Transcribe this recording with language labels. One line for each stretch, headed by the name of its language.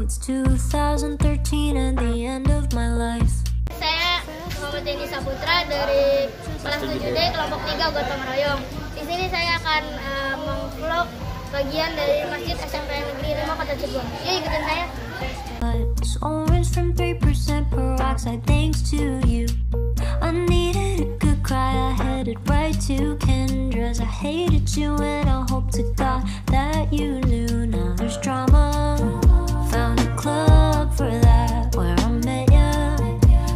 English: It's 2013 and the end of my life.
Indonesian: Saya Muhammad Denny Saputra dari kelas 7D kelompok 3 Gotong Royong. Di sini saya akan mengvlog bagian dari Masjid SMP Negeri 5 Kota Cirebon. Yuk ikutin saya.
English: It's orange from 3% peroxide, thanks to you. I needed a good cry, I headed right to Kendra's. I hated you and I hope to God that you knew. Now there's drama, found a club for that, where I met ya.